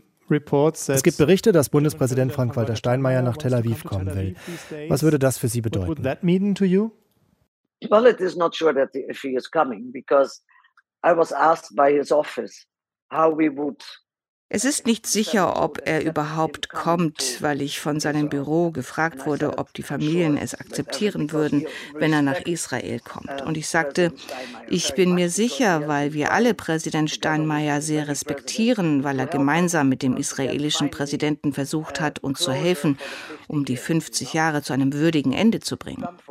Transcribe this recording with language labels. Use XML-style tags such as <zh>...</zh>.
<de>Es gibt Berichte, dass Bundespräsident Frank-Walter Steinmeier nach Tel Aviv kommen will. Was würde das für Sie bedeuten?</de> <en>Well, it is not sure that if he is coming, because I was asked by his office how we would.</en> <de>Es ist nicht sicher, ob er überhaupt kommt, weil ich von seinem Büro gefragt wurde, ob die Familien es akzeptieren würden, wenn er nach Israel kommt. Und ich sagte, ich bin mir sicher, weil wir alle Präsident Steinmeier sehr respektieren, weil er gemeinsam mit dem israelischen Präsidenten versucht hat, uns zu helfen, um die 50 Jahre zu einem würdigen Ende zu bringen.</de>